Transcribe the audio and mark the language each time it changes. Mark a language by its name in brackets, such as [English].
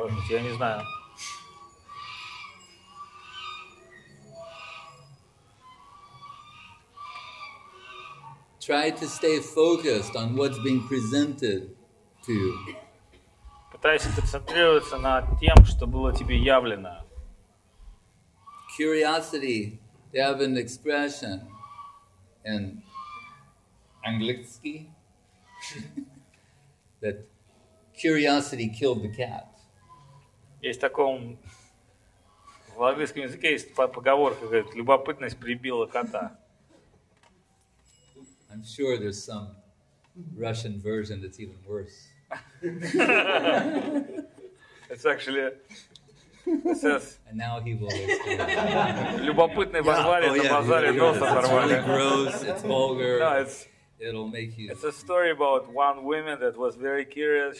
[Russian] Я не знаю. [English] Try to stay focused on what's being presented to you. [Russian] Пытайся концентрироваться на тем, что было тебе явлено. [English] Curiosity, they have an expression in Anglicky that curiosity killed the cat. [Russian] Есть таком в английском языке есть поговорка, говорит, любопытность прибила кота. [English] I'm sure there's some Russian version that's even worse. It's actually it says. And now he will. [Russian] Любопытный позвали на базаре носа порвали. [English] It's gross. It's vulgar. No, it's, it'll make you. It's a story about one woman that was very curious.